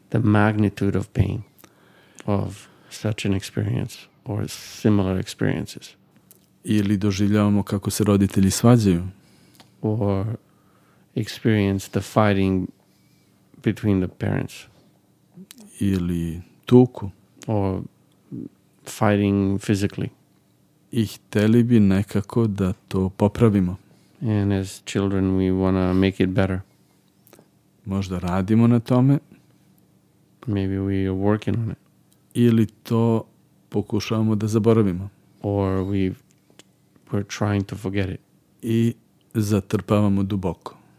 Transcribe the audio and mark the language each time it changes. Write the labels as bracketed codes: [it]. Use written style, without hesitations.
[en] The magnitude of pain of such an experience or similar experiences. [sr] Ili doživljavamo kako se roditelji svađaju. [en] Or experience the fighting between the parents. [sr] Ili tuku. [en] Or fighting physically. [sr] I hteli bi nekako da to popravimo. [en] And as children we want to make it better. [sr] Možda radimo na tome. [en] Maybe we are working on it. [sr] Ili to pokušavamo da zaboravimo. [en] Or we're trying to forget it. [sr] I zatrpavamo duboko.